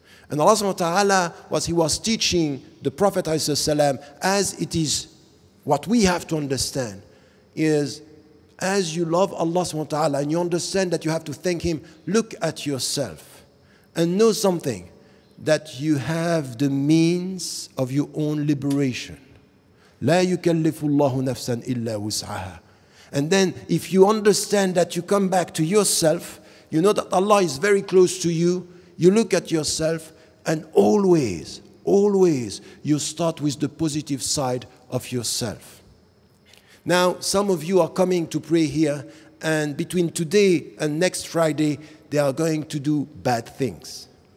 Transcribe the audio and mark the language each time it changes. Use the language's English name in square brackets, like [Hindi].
[English] And Allah subhanahu wa ta'ala, what he was teaching the Prophet ﷺ, as it is what we have to understand, is as you love Allah subhanahu wa ta'ala and you understand that you have to thank him, look at yourself and know something, that you have the means of your own liberation. [Arabic] لا يكلف الله نفسا إلا وسعها. [English] And then if you understand that, you come back to yourself, you know that Allah is very close to you, you look at yourself, and always, always, you start with the positive side of yourself. Now, some of you are coming to pray here, and between today and next Friday, they are going to do bad things.